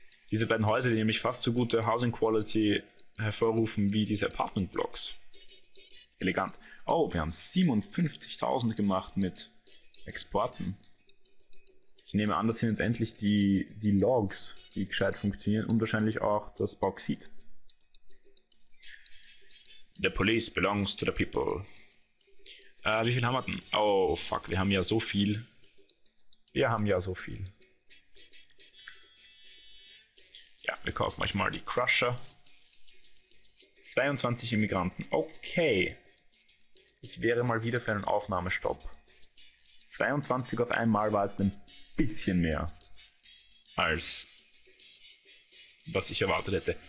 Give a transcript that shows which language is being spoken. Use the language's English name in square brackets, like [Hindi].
[German] Diese beiden Häuser, die nämlich fast so gute Housing Quality hervorrufen wie diese Apartment Blocks. Elegant. Oh, wir haben 57.000 gemacht mit Exporten. Ich nehme an, das sind jetzt endlich die Logs, die gescheit funktionieren und wahrscheinlich auch das Bauxit. [English] The police belongs to the people. [German] Wie viel haben wir denn? Oh fuck, wir haben ja so viel. Wir haben ja so viel. Ja, wir kaufen manchmal die Crusher. 22 Immigranten, okay. Ich wäre mal wieder für einen Aufnahmestopp. 22 auf einmal war es ein bisschen mehr, als was ich erwartet hätte.